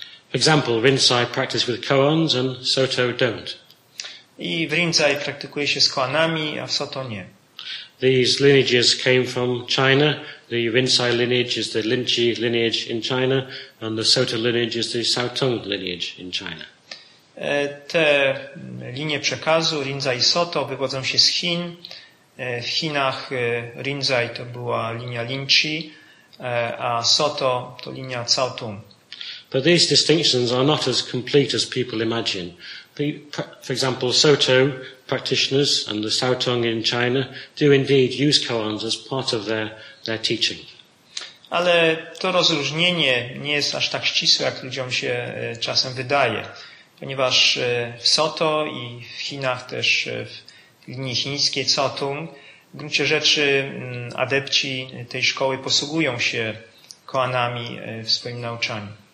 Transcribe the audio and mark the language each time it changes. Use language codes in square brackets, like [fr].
[en] For example, Rinzai practice with koans and Soto don't. [pl] I w Rinzai praktykuje się z koanami, a w Soto nie. [en] These lineages came from China. The Rinzai lineage is the Linchi lineage in China, and the Soto lineage is the Saotong lineage in China. [pl] Te linie przekazu Rinzai i Soto wywodzą się z Chin. W Chinach Rinzai to była linia Linchi, a Soto to linia Saotong. [en] But these distinctions are not as complete as people imagine. For example, Soto practitioners and the Saotong in China do indeed use koans as part of their teaching. [pl] Ale to rozróżnienie nie jest aż tak ścisłe, jak ludziom się czasem wydaje, ponieważ w Soto i w Chinach też w linii chińskiej Saotong w gruncie rzeczy adepci tej szkoły posługują się koanami w swoim nauczaniu.